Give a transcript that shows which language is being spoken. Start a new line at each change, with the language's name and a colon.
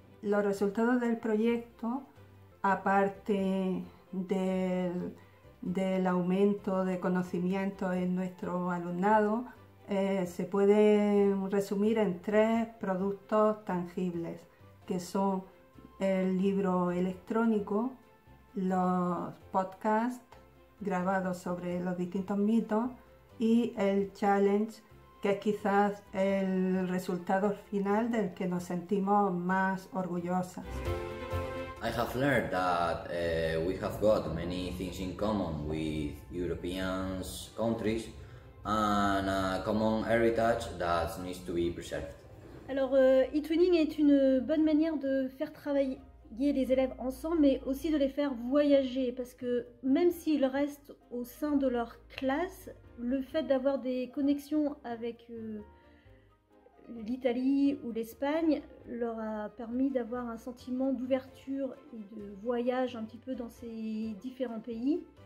Spanish: Los resultados del proyecto, aparte del aumento de conocimiento en nuestro alumnado se puede resumir en tres productos tangibles que son el libro electrónico, los podcasts grabados sobre los distintos mitos y el challenge que es quizás el resultado final del que nos sentimos más orgullosas.
English: I have learned that we have got many things in common with European countries and a common heritage that needs to be preserved.
French: Alors, eTwinning est une bonne manière de faire travailler les élèves ensemble, mais aussi de les faire voyager, parce que même s'ils restent au sein de leur classe, le fait d'avoir des connexions avec l'Italie ou l'Espagne leur a permis d'avoir un sentiment d'ouverture et de voyage un petit peu dans ces différents pays.